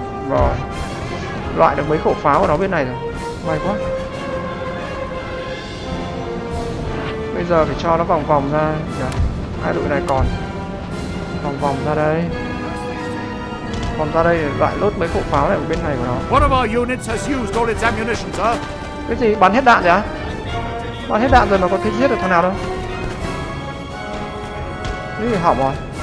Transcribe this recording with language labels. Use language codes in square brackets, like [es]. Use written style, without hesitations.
[vi] Rồi, loại được mấy khẩu pháo của nó bên này rồi. May quá. Bây giờ phải cho nó vòng vòng ra. Hai đội này còn vòng vòng ra đây. Còn ra đây loại lốt mấy khẩu pháo này ở bên này của nó. [en] One of our units has used all its ammunition, sir. [vi] Cái gì? Bắn hết đạn rồi à? Bắn hết đạn rồi mà có thể giết được thằng nào đâu. Cái gì hỏng rồi?